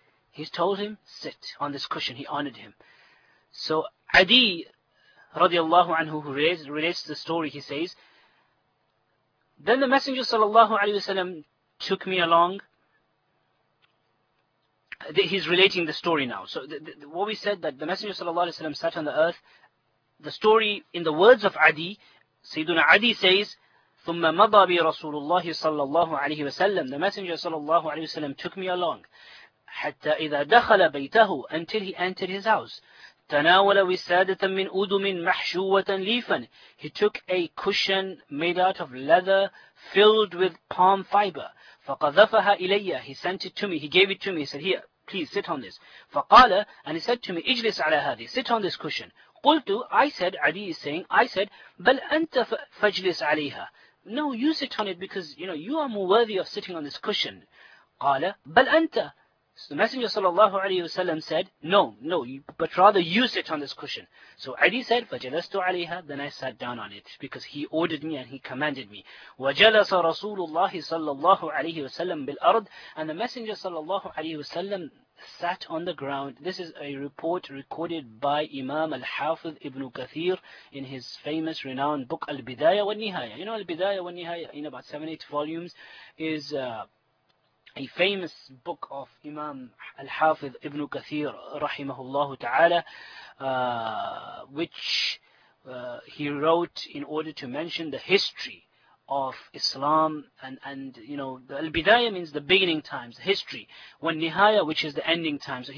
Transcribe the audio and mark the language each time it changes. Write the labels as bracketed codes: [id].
[en] He told him, sit on this cushion. He honored him. So Adi radiallahu anhu, who relates the story, he says, then the Messenger sallallahu alayhi wa sallam took me along. He's relating the story now. So what we said, that the Messenger sallallahu alayhi wa sallam sat on the earth, the story in the words of Adi, Sayyiduna Adi says, [ar] ثم مضى بي رسول الله صلى الله عليه وسلم. [en] The messenger صلى الله عليه وسلم took me along. [ar] حتى إذا دخل بيته, [en] until he entered his house, [ar] تناول وسادة من أدم محشوة ليفا. [en] He took a cushion made out of leather filled with palm fiber. [ar] فقذفها إلي. [en] He sent it to me. He gave it to me. He said, here, please sit on this. فقال, and he said to me, [ar] اجلس على هذه. [en] Sit on this cushion. قلت, I said, Adi is saying, I said, [ar] بل أنت فاجلس عليها. [en] No, you sit on it because, you know, you are more worthy of sitting on this cushion. [ar] قال, بل أنت. [en] So the Messenger صلى الله عليه وسلم said, no, but rather you sit on this cushion. So Adi said, [ar] فجلست عليها. [en] Then I sat down on it because he ordered me and he commanded me. [ar] وجلس رسول الله صلى الله عليه وسلم بالأرض. [en] And the Messenger صلى الله عليه وسلم sat on the ground. This is a report recorded by Imam Al-Hafidh Ibn Kathir in his famous, renowned book Al-Bidayah wa Nihaya. You know, Al-Bidayah wa Nihaya, in about 7-8 volumes, is a famous book of Imam Al-Hafidh Ibn Kathir, rahimahullah ta'ala, which he wrote in order to mention the history of Islam, and you know, the Al-Bidayah means the beginning times, history, when Nihaya, which is the ending times.